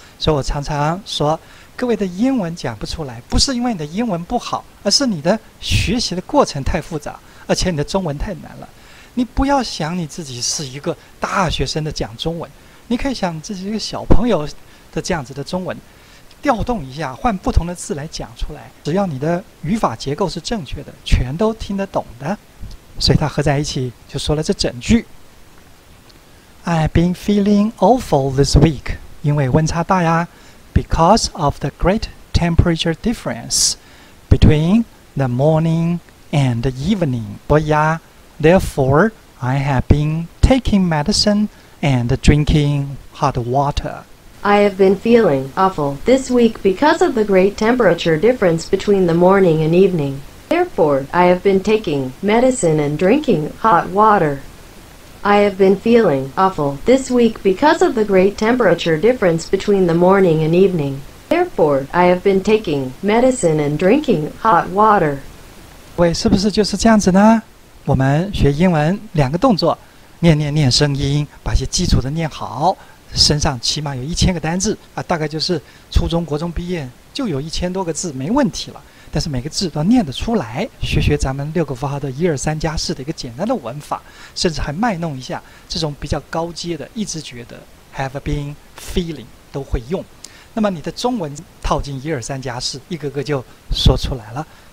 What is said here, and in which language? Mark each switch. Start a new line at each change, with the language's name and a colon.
Chinese: 所以我常常说，各位的英文讲不出来，不是因为你的英文不好，而是你的学习的过程太复杂，而且你的中文太难了。你不要想你自己是一个大学生的讲中文，你可以想自己一个小朋友的这样子的中文，调动一下，换不同的字来讲出来，只要你的语法结构是正确的，全都听得懂的。所以他合在一起就说了这整句，
English: I've been feeling awful this week，
Chinese: 因为温差大呀，
English: because of the great temperature difference between the morning and the evening， 所以啊， therefore I have been taking medicine and drinking hot water I have been feeling awful this week because of the great temperature difference between the morning and evening. Therefore, I have been taking medicine and drinking hot water. I have been feeling awful this week because of the great temperature difference between the morning and evening. Therefore, I have been taking medicine and drinking hot water.
Chinese: 喂，是不是就是这样子呢？我们学英文两个动作，念念念声音，把一些基础的念好。身上起码有1000个单字啊，大概就是初中国中毕业就有1000多个字没问题了，但是每个字都念得出来，学学咱们六个符号的1、2、3、4的一个简单的文法，甚至还卖弄一下这种比较高阶的一直觉得
English: have been feeling
Chinese: 都会用，那么你的中文套进1、2、3、4一个个就说出来了。